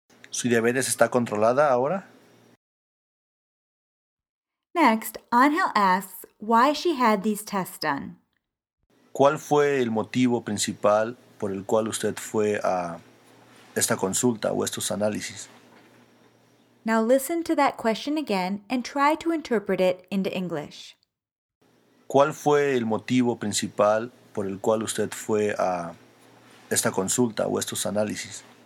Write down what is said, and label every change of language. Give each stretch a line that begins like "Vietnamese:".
Spanish: ¿Su diabetes está controlada ahora?
English: Next, Ángel asks why she had these tests done.
Spanish: ¿Cuál fue el motivo principal por el cual usted fue a esta consulta o estos análisis?
English: Now listen to that question again and try to interpret it into English.
Spanish: ¿Cuál fue el motivo principal por el cual usted fue a esta consulta o estos análisis?